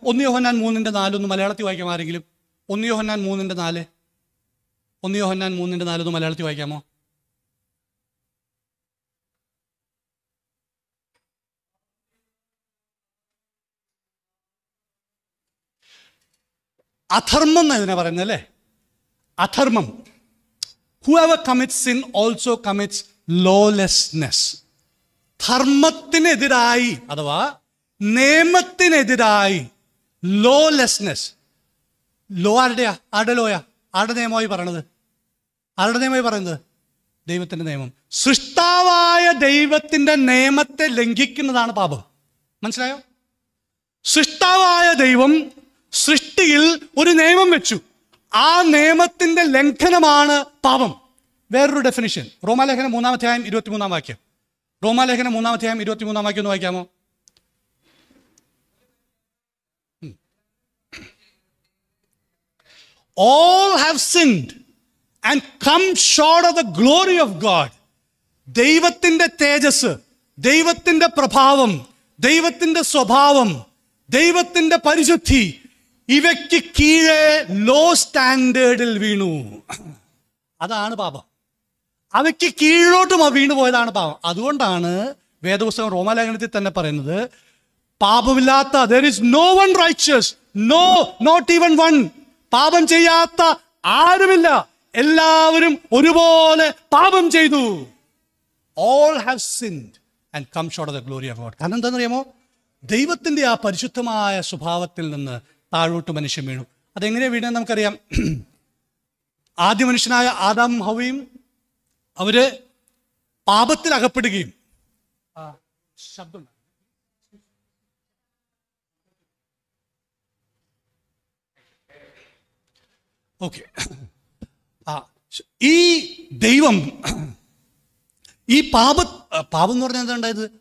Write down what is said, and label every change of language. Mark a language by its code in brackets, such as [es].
[ml] ഒന്ന് യോഹന്നാൻ 3:4, ഒന്ന് മലയാളത്തിൽ വായിക്കാം ആരെങ്കിലും. ഒന്ന് യോഹന്നാൻ 3:4 ഒന്ന് മലയാളത്തിൽ വായിക്കാമോ? അധർമ്മം എന്ന് അതിനെ പറയുന്നല്ലേ, അധർമ്മം. [en] Whoever commits sin also commits lawlessness. [ml] ധർമ്മത്തിനെതിരായി അഥവാ നിയമത്തിനെതിരായി lawlessness. ലോ ആരുടെയാ? ആരുടെ ലോയാ? ആരുടെ നിയമമായി പറയണത്? ആരുടെ നിയമമായി പറയുന്നത്? ദൈവത്തിൻ്റെ നിയമം. സൃഷ്ടാവായ ദൈവത്തിൻ്റെ നിയമത്തെ ലംഘിക്കുന്നതാണ് പാപം. മനസ്സിലായോ? സൃഷ്ടാവായ ദൈവം സൃഷ്ടിയിൽ ഒരു നിയമം വെച്ചു, ആ നിയമത്തിന്റെ ലംഘനമാണ് പാപം. വേറൊരു ഡെഫിനിഷൻ, റോമാലേഖനം 3:23. റോമാലേഖനം 3:23 ഒന്ന് വായിക്കാമോ? [en] All have sinned and come short of the glory of God. [ml] ദൈവത്തിന്റെ തേജസ്, ദൈവത്തിന്റെ പ്രഭാവം, ദൈവത്തിന്റെ സ്വഭാവം, ദൈവത്തിന്റെ പരിശുദ്ധി, ഇവയ്ക്ക് കീഴേ ലോ സ്റ്റാൻഡേർഡിൽ വീണു. അതാണ് പാപം. അവയ്ക്ക് കീഴിലോട്ട് വീണു പോയതാണ് പാപം. അതുകൊണ്ടാണ് വേദപുസ്തകം റോമാലേഖനത്തിൽ തന്നെ പറയുന്നത്, പാപമില്ലാത്ത, [en] there is no one righteous, no, not even one. [ml] പാപം ചെയ്യാത്ത ആരുമില്ല. എല്ലാവരും ഒരുപോലെ പാപം ചെയ്തു. [en] All have sinned and come short of the glory of God. [ml] കാരണം എന്താണെന്ന് അറിയാമോ? ദൈവത്തിന്റെ ആ പരിശുദ്ധമായ സ്വഭാവത്തിൽ നിന്ന് താഴോട്ട് മനുഷ്യൻ വീണു. അതെങ്ങനെയാണ് വീണെന്ന് നമുക്കറിയാം. ആദ്യ മനുഷ്യനായ ആദാം ഹവയും അവര് പാപത്തിൽ അകപ്പെടുകയും ഓക്കെ ആ ഈ ദൈവം ഈ പാപം എന്ന് പറഞ്ഞാൽ എന്താണ്ടായത്?